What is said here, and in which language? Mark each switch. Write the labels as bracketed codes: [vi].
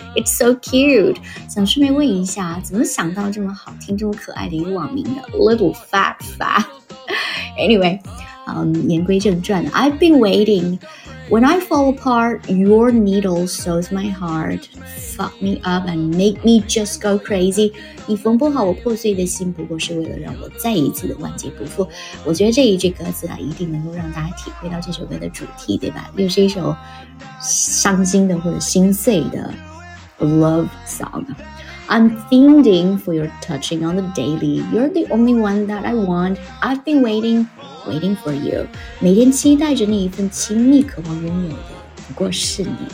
[en] It's so cute。 [zh] 想顺便问一下，怎么想到这么好听这么可爱的一个网名的 Little Fat Fat。 Anyway、言归正传， I've Been Waiting。 [en] When I fall apart, your needle sews my heart。 Fuck me up and make me just go crazy. [zh] 你缝不好我破碎的心，不过是为了让我再一次的万劫不复。我觉得这一句歌词啊，一定能够让大家体会到这首歌的主题，对吧？又是一首伤心的或者心碎的 love song. [en] I'm fiending for your touching on the daily. You're the only one that I want. I've been waiting, waiting for you. [zh] 每天期待着你一份亲密，渴望拥有的不过是你。